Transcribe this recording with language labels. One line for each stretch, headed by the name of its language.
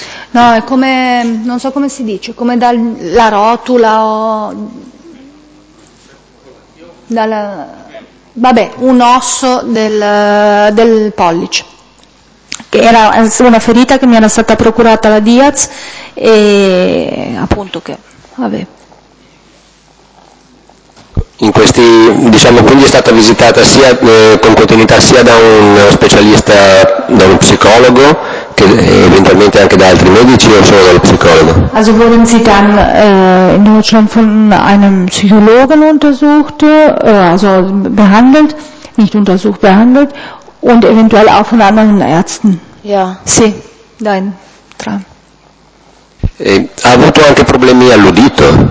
Italian: No, è come, non so come si dice, come dalla rotula o dalla, vabbè, un osso del pollice, che era una ferita che mi era stata procurata la Diaz e appunto che, vabbè. In questi, diciamo, quindi è stata visitata sia con continuità sia da un specialista, da uno psicologo, che eventualmente anche da altri medici o solo dallo psicologo?
German: Also wurden sie dann in Deutschland von einem Psychologen untersucht, also behandelt, nicht untersucht, behandelt und eventuell auch von anderen Ärzten. Ja. Sì, dein Traum.
Italian: Ha avuto anche problemi all'udito?